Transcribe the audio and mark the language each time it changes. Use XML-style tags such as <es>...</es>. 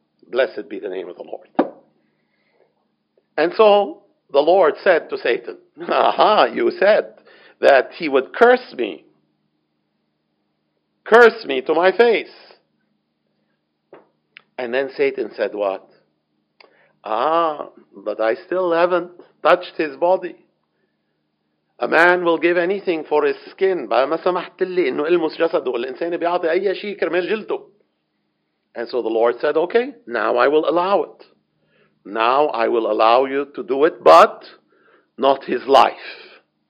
<en>Blessed be the name of the Lord. And so the Lord said to Satan, aha, you said that he would curse me to my face. And then Satan said what? Ah, but I still haven't touched his body. A man will give anything for his skin.</en> <ar>بما سمحت لي إنه ألمس جسده. الإنسان بيعطي أي شيء كرمال جلده.</ar> <en>And so the Lord said, okay, now I will allow it. Now I will allow you to do it, but not his life.</en>